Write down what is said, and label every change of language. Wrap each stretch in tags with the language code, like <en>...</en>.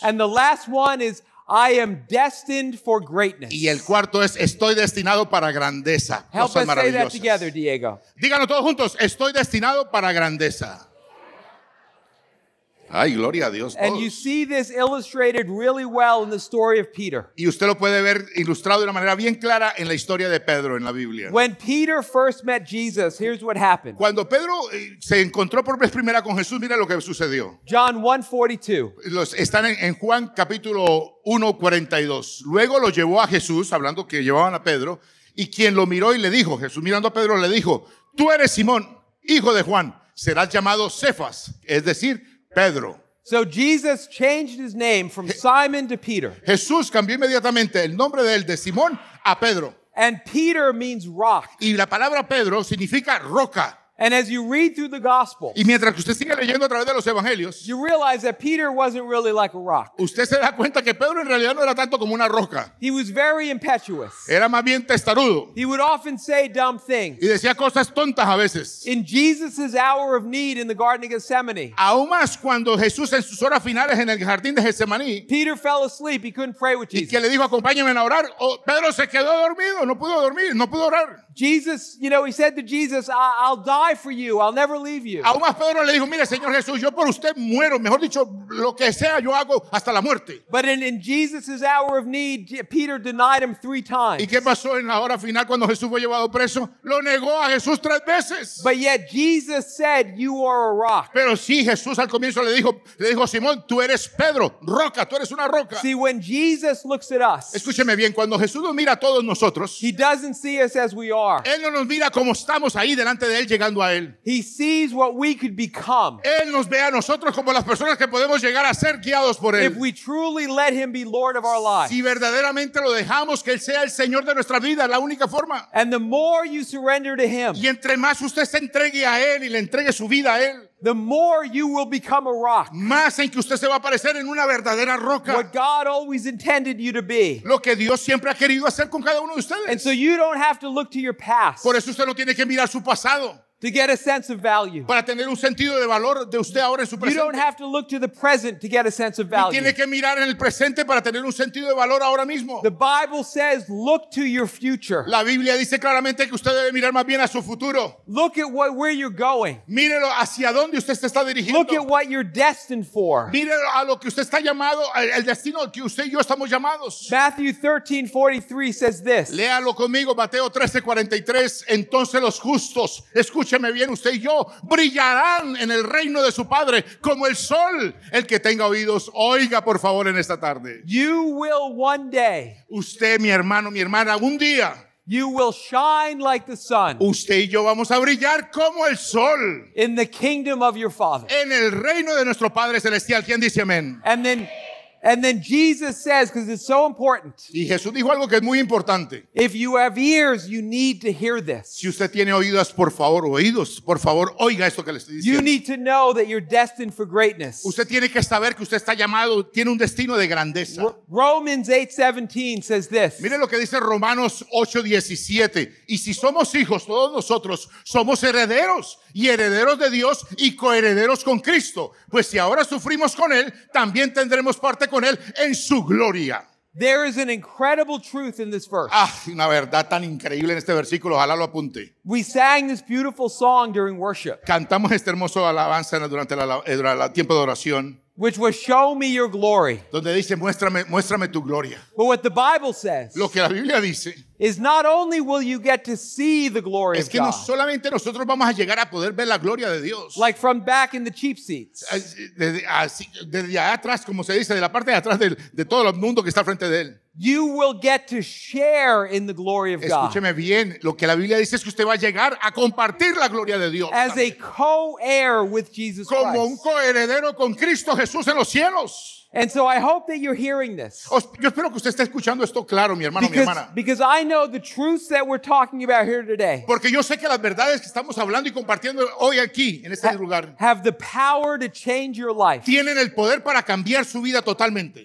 <en>And the last one is I am destined for greatness.</en> <es>Y el cuarto es, estoy destinado para grandeza.</es> <en>Help us say that together, Diego.</en> <es>Díganlo todos juntos, estoy destinado para grandeza. Ay, gloria a Dios.</es> <en>And you see this illustrated really well in the story of Peter.</en> <es>Y usted lo puede ver ilustrado de una manera bien clara en la historia de Pedro en la Biblia.</es> <en>When Peter first met Jesus, here's what happened.</en> <es>Cuando Pedro se encontró por vez primera con Jesús, mira lo que sucedió.</es> <en>John 1:42.</en> <es>Están en Juan capítulo 1:42. Luego lo llevó a Jesús, hablando que llevaban a Pedro, y quien lo miró y le dijo, Jesús mirando a Pedro le dijo, tú eres Simón, hijo de Juan, serás llamado Cefas, es decir, Pedro.</es> <en>So Jesus changed his name from Simon to Peter.</en> <es>Jesús cambió inmediatamente el nombre de él de Simón a Pedro.</es> <en>And Peter means rock.</en> <es>Y la palabra Pedro significa roca.</es> <en>And as you read through the gospel,</en> <es>y mientras usted sigue leyendo a través de los evangelios,</es> <en>you realize that Peter wasn't really like a rock.</en> <es>Usted se da cuenta que Pedro en realidad no era tanto como una roca.</es> <en>He was very impetuous.</en> <es>Era más bien testarudo.</es> <en>He would often say dumb things.</en> <es>Y decía cosas tontas a veces.</es> <en>In Jesus's hour of need in the Garden of Gethsemane,</en> <es>aún más cuando Jesús en sus horas finales en el jardín de Getsemaní,</es> <en>Peter fell asleep. He couldn't pray with Jesus.</en> <es>Y que le dijo, acompáñame a orar. Oh, Pedro se quedó dormido. No pudo dormir. No pudo orar.</es> <en>Jesus, you know, he said to Jesus, I'll die for you. I'll never leave you.</en> <es>Aún más Pedro le dijo, mire, Señor Jesús, yo por usted muero. Mejor dicho, lo que sea, yo hago hasta la muerte.</es> <en>But in Jesus's hour of need, Peter denied him three times.</en> <es>¿Y qué pasó en la hora final cuando Jesús fue llevado preso? Lo negó a Jesús tres veces.</es> <en>But yet Jesus said, you are a rock.</en> <es>Pero sí, Jesús al comienzo le dijo, Simón, tú eres Pedro, roca, tú eres una roca.</es> <en>See, when Jesus looks at us,</en> <es>escúcheme bien, cuando Jesús nos mira a todos nosotros,</es> <en>he doesn't see us as we are.</en> <es>Él no nos mira como estamos ahí delante de Él llegando a Él.</es> <en>He sees what we could become.</en> <es>Él nos ve a nosotros como las personas que podemos llegar a ser guiados por Él.</es> <en>If we truly let Him be Lord of our lives.</en> <es>Si verdaderamente lo dejamos que Él sea el Señor de nuestra vida, la única forma.</es> <en>And the more you surrender to Him,</en> <es>y entre más usted se entregue a Él y le entregue su vida a Él,</es> <en>the more you will become a rock.</en> <es>Más en que usted se va a parecer en una verdadera roca.</es> <en>What God always intended you to be.</en> <es>Lo que Dios siempre ha querido hacer con cada uno de ustedes.</es> <en>And so you don't have to look to your past.</en> <es>Por eso usted no tiene que mirar su pasado.</es> <en>To get a sense of value.</en> <es>Para tener un sentido de valor de usted ahora en su presente.</es> <en>You don't have to look to the present to get a sense of value.</en> <es>Ni tiene que mirar en el presente para tener un sentido de valor ahora mismo.</es> <en>The Bible says, look to your future.</en> <es>La Biblia dice claramente que usted debe mirar más bien a su futuro.</es> <en>Look at what, where you're going.</en> <es>Mírelo hacia dónde usted se está dirigiendo.</es> <en>Look at what you're destined for.</en> <es>Mírelo a lo que usted está llamado, el destino al que usted y yo estamos llamados.</es> <en>Matthew 13:43 says this.</en> <es>Léalo conmigo, Mateo 13:43. Entonces los justos, escucha. Escúcheme bien, usted y yo brillarán en el reino de su Padre como el sol. El que tenga oídos, oiga por favor en esta tarde.</es> <en>You will one day,</en> <es>usted, mi hermano, mi hermana, un día,</es> <en>you will shine like the sun,</en> <es>usted y yo vamos a brillar como el sol</es> <en>in the kingdom of your Father.</en> <es>En el reino de nuestro Padre Celestial. ¿Quién dice amén?</es> <en>And then, And then Jesus says, because it's so important.</en> <es>Y Jesús dijo algo que es muy importante.</es> <en>If you have ears, you need to hear this.</en> <es>Si usted tiene oídos, por favor, oiga esto que le estoy diciendo.</es> <en>You need to know that you're destined for greatness.</en> <es>Usted tiene que saber que usted está llamado, tiene un destino de grandeza.</es> <en>Romans 8:17 says this.</en> <es>Mire lo que dice Romanos 8:17. Y si somos hijos, todos nosotros somos herederos y herederos de Dios y coherederos con Cristo. Pues si ahora sufrimos con Él, también tendremos parte con Él en su gloria.</es> <en>There is an incredible truth in this verse.</en> <es>Ah, una verdad tan increíble en este versículo. Ojalá lo apunte.</es> <en>We sang this beautiful song during worship.</en> <es>Cantamos este hermoso alabanza durante el tiempo de oración.</es> <en>Which was show me your glory.</en> <es>Donde dice, muéstrame tu gloria.</es> <en>But what the Bible says.</en> <es>Lo que la Biblia dice.</es> <en>Is not only will you get to see the glory of God.</en> <es>Es que no solamente nosotros vamos a llegar a poder ver la gloria de Dios.</es> <en>Like from back in the cheap seats.</en> <es>Desde atrás, como se dice, de la parte de atrás de todo el mundo que está frente de él.</es> <en>You will get to share in the glory of God.</en> <es>Escúcheme bien, lo que la Biblia dice es que usted va a llegar a compartir la gloria de Dios.</es> <en>As a co-heir with Jesus Christ.</en> <es>Como un coheredero con Cristo Jesús en los cielos.</es> <en>And so I hope that you're hearing this.</en> <es>Yo espero que usted esté escuchando esto claro, mi hermano,</es> <en>because,</en> <es>mi hermana.</es> <en>Because I know the truths that we're talking about here today.</en> <es>Porque yo sé que las verdades que estamos hablando y compartiendo hoy aquí en este lugar</es> <en>have the power to change your life.</en> <es>Tienen el poder para cambiar su vida totalmente.</es>